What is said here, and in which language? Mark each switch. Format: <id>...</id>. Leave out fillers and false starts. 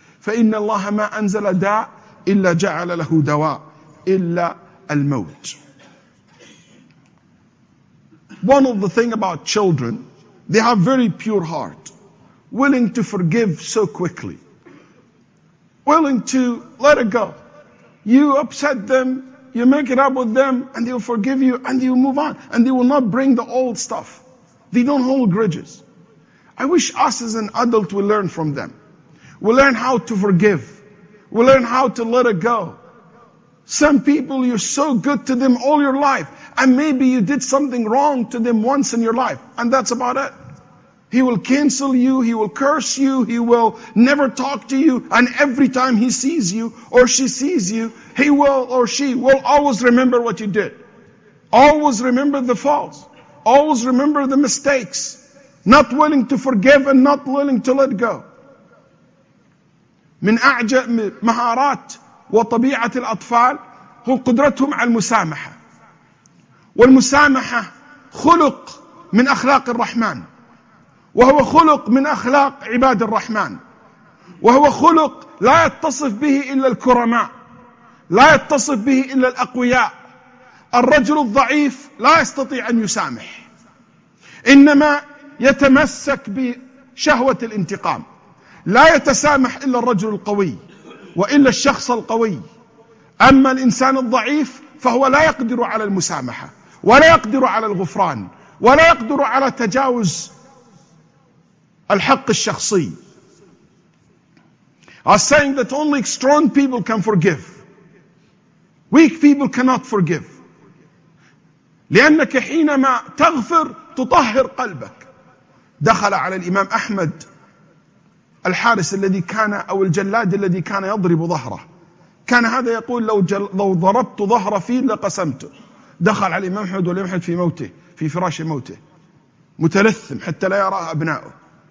<ar>فإن الله ما أنزل داء إلا جعل له دواء إلا الموت.</ar> <en>One of the thing about children, they have very pure heart, willing to forgive so quickly, willing to let it go. You upset them, you make it up with them, and they will forgive you, and you move on, and they will not bring the old stuff. They don't hold grudges. I wish us as an adult we learn from them. We learn how to forgive. We learn how to let it go. Some people, you're so good to them all your life, and maybe you did something wrong to them once in your life, and that's about it. He will cancel you, he will curse you, he will never talk to you, and every time he sees you or she sees you, he will or she will always remember what you did. Always remember the faults. Always remember the mistakes. Not willing to forgive and not willing to let go.</en> <ar>من أعجب مهارات وطبيعة الأطفال هو قدرتهم على المسامحة. والمسامحة خلق من أخلاق الرحمن. وهو خلق من أخلاق عباد الرحمن. وهو خلق لا يتصف به إلا الكرماء. لا يتصف به إلا الأقوياء. الرجل الضعيف لا يستطيع أن يسامح. إنما يتمسك بشهوة الانتقام. لا يتسامح إلا الرجل القوي وإلا الشخص القوي. أما الإنسان الضعيف فهو لا يقدر على المسامحة ولا يقدر على الغفران ولا يقدر على تجاوز الحق الشخصي.</ar> <en>I'm saying that only strong people can forgive. Weak people cannot forgive.</en> <ar>لأنك حينما تغفر تطهر قلبك. دخل على الإمام أحمد الحارس الذي كان أو الجلاد الذي كان يضرب ظهره. كان هذا يقول لو ضربت ظهر فيل لقسمته. دخل على الإمام أحمد والإمام أحمد في موته في فراش موته متلثم حتى لا يرى أبناؤه.</ar>